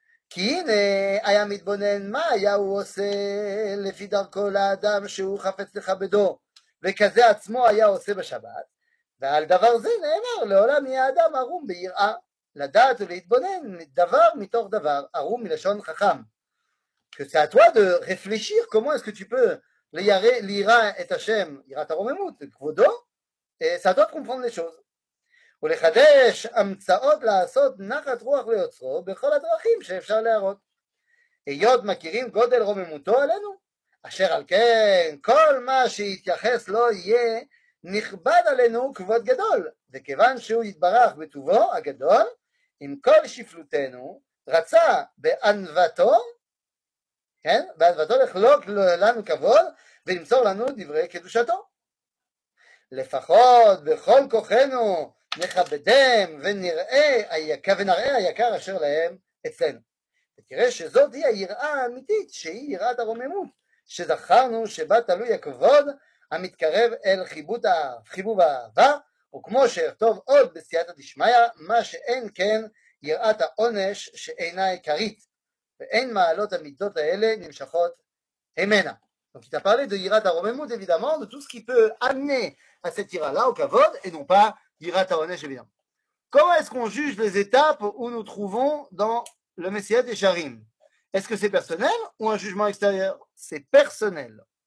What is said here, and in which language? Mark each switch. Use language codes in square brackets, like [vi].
[he] כי הנה היה מתבונן מה היה הוא עושה לפי דרכו לאדם שהוא חפץ לכבדו, וכזה עצמו היה עושה בשבת. ועל דבר זה נאמר, לעולם יהיה אדם ערום ביראה, לדעת ולהתבונן דבר מתוך דבר, ערום מלשון חכם. [fr] C'est à toi de réfléchir comment est-ce que tu peux lire [he] את השם, יראת הרוממות, כבודו, [fr] c'est à toi de comprendre les choses. [he] ולחדש המצאות לעשות נחת רוח ליוצרו בכל הדרכים שאפשר להראות. היות מכירים גודל רוממותו עלינו, אשר על כן, כל מה שיתייחס לו יהיה נכבד עלינו כבוד גדול, וכיוון שהוא יתברך בטובו הגדול, עם כל שפלותנו, רצה בענוותו, כן? בענוותו לחלוק לנו כבוד, ולמסור לנו דברי קדושתו. לפחות בכל כוחנו נכבדם ונראה היקר אשר להם אצלנו. ותראה שזאת היא היראה האמיתית, שהיא יראת הרוממות, שזכרנו שבה תלוי הכבוד, המתקרב אל חיבוב האהבה, וכמו שאכתוב עוד בסייעתא דשמיא, מה שאין כן יראת העונש שאינה עיקרית, ואין מעלות המידות האלה נמשכות הימנה. [fr] Donc il a parlé de יראת הרוממות, évidemment, de tout ce qui peut amener à cette יראה, au כבוד, et non pas יראת העונש, évidemment. Comment est-ce qu'on juge les étapes où nous trouvons dans le Messiat et Charim? Est-ce que c'est personnel ou un jugement extérieur? C'est personnel.